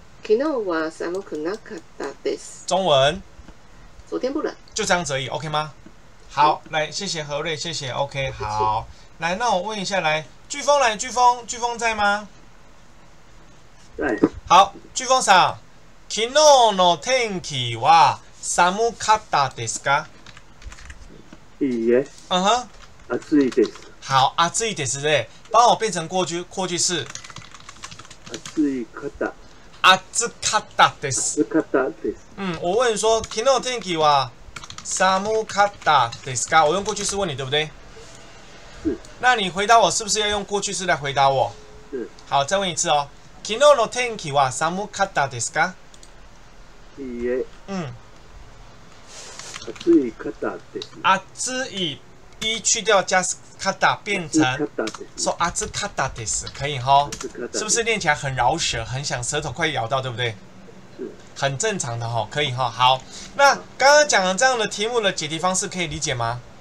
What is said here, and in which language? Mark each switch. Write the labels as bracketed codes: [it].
[ja] 昨日は寒くなかったです。 [zh] 中文。昨天不冷。就这样子而已 ，OK 吗？好，来，谢谢何瑞，谢谢 ，OK， 好。来，那我问一下，来，飓风来，飓风在吗？在。好，飓风さん。 [ja] 昨日の天気は寒かったですか？いいえ。嗯哼。暑いです。 [zh] 好， [ja] 暑いですね。 [zh] 帮我变成过去式。 [ja] 暑いかった。暑かったです。暑かったです。 [zh] 嗯，我问说， [ja] 昨日の天気は寒かったですか？ [zh] 我用过去式问你，对不对？是。那你回答我，是不是要用过去式来回答我？是。好，再问一次哦。 [ja] 昨日の天気は寒かったですか？いいえ。嗯。暑いかったです。 [zh] 暑い，一去掉加かった，变成说 [ja] 暑かったです， [zh] 可以哈？是不是念起来很饶舌，很想舌头快咬到，对不对？是。很正常的哈，可以哈。好，那刚刚讲的这样的题目的解题方式可以理解吗？